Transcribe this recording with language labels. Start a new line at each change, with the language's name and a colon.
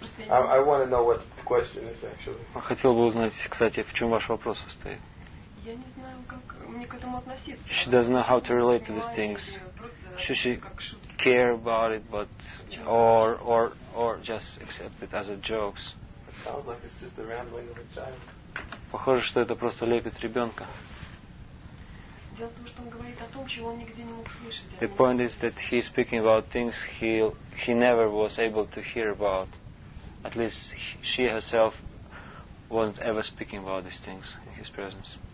English: I want to know what the question is actually.
Russian: Я хотел бы узнать, кстати, в чем ваш вопрос состоит. Я не знаю, как мне к этому относиться.
English: She doesn't know how to relate to these things. Should she care about it, but or just accept it as a joke? It sounds like it's just the rambling of a child.
Russian: Похоже, что это просто лепет ребенка. Дело в том, что он говорит о том, чего он нигде не мог слышать.
English: The point is that he is speaking about things he never was able to hear about. At least she herself wasn't ever speaking about these things in his presence.